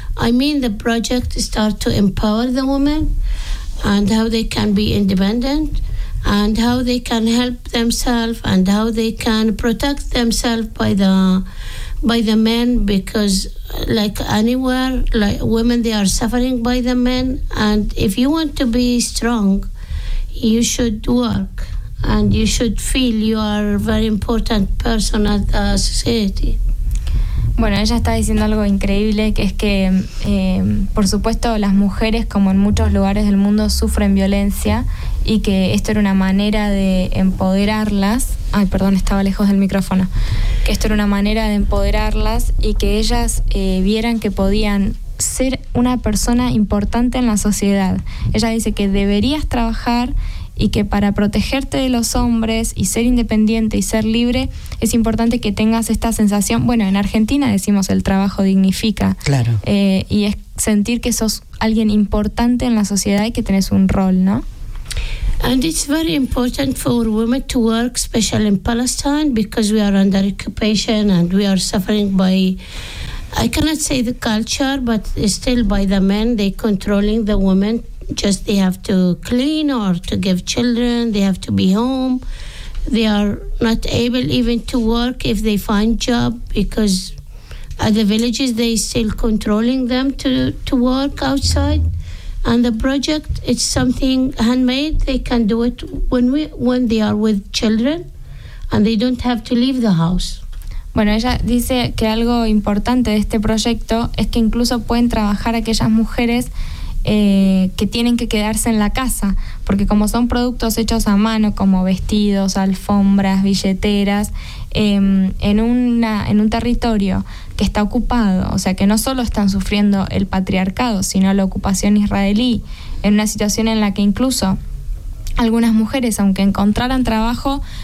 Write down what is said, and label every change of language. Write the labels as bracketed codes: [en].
[en] I mean, the project start to empower the women and how they can be independent and how they can help themselves and how they can protect themselves by the men, because like anywhere, like women, they are suffering by the men. And if you want to be strong, you should work and you should feel you are a very important person at the society. [es] Bueno, ella está diciendo algo increíble, que es que, por supuesto, las mujeres, como en muchos lugares del mundo, sufren violencia, y que esto era una manera de empoderarlas. Ay, perdón, estaba lejos del micrófono. Que esto era una manera de empoderarlas y que ellas vieran que podían ser una persona importante en la sociedad. Ella dice que deberías trabajar y que para protegerte de los hombres y ser independiente y ser libre, es importante que tengas esta sensación. Bueno, en Argentina decimos el trabajo dignifica. Claro. Y es sentir que sos alguien importante en la sociedad y que tenés un rol, ¿no? [en] And it's very important for women to work, especially in Palestine, because we are under occupation and we are suffering by, I cannot say the culture, but still by the men, they controlling the women. Just they have to clean or to give children, they have to be home. They are not able even to work if they find job, because at the villages they still controlling them to work outside. And the project, it's something handmade. They can do it when they are with children and they don't have to leave the house. [es] Bueno, ella dice que algo importante de este proyecto es que incluso pueden trabajar aquellas mujeres que tienen que quedarse en la casa, porque como son productos hechos a mano, como vestidos, alfombras, billeteras, en un territorio que está ocupado, o sea, que no solo están sufriendo el patriarcado, sino la ocupación israelí, en una situación en la que incluso algunas mujeres, aunque encontraran trabajo,